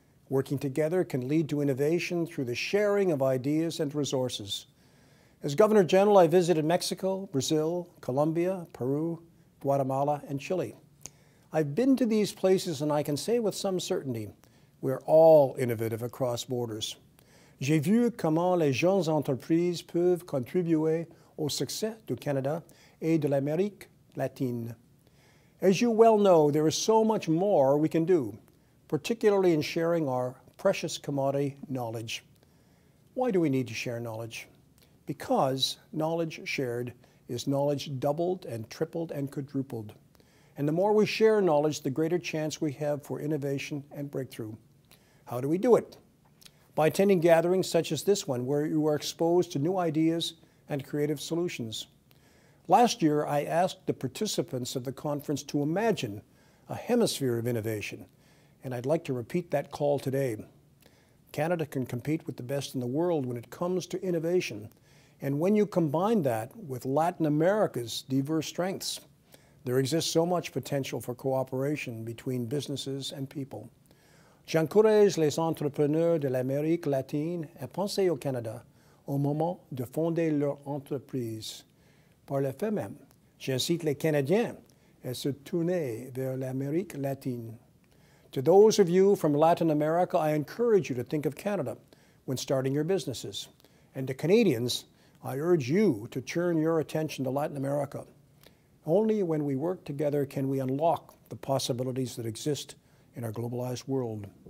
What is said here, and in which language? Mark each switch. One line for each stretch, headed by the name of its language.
English: Working together can lead to innovation through the sharing of ideas and resources. As Governor General, I visited Mexico, Brazil, Colombia, Peru, Guatemala, and Chile. I've been to these places and I can say with some certainty, we're all innovative across borders.
French: J'ai vu comment les jeunes entreprises peuvent contribuer au succès du Canada et de l'Amérique latine.
English: As you well know, there is so much more we can do, particularly in sharing our precious commodity, knowledge. Why do we need to share knowledge? Because knowledge shared is knowledge doubled and tripled and quadrupled. And the more we share knowledge, the greater chance we have for innovation and breakthrough. How do we do it? By attending gatherings such as this one, where you are exposed to new ideas and creative solutions. Last year, I asked the participants of the conference to imagine a hemisphere of innovation, and I'd like to repeat that call today. Canada can compete with the best in the world when it comes to innovation. And when you combine that with Latin America's diverse strengths, there exists so much potential for cooperation between businesses and people.
French: J'encourage les entrepreneurs de l'Amérique latine à penser au Canada au moment de fonder leur entreprise. Par le fait même, j'incite les Canadiens à se tourner vers l'Amérique latine.
English: To those of you from Latin America, I encourage you to think of Canada when starting your businesses. And to Canadians, I urge you to turn your attention to Latin America. Only when we work together can we unlock the possibilities that exist in our globalized world.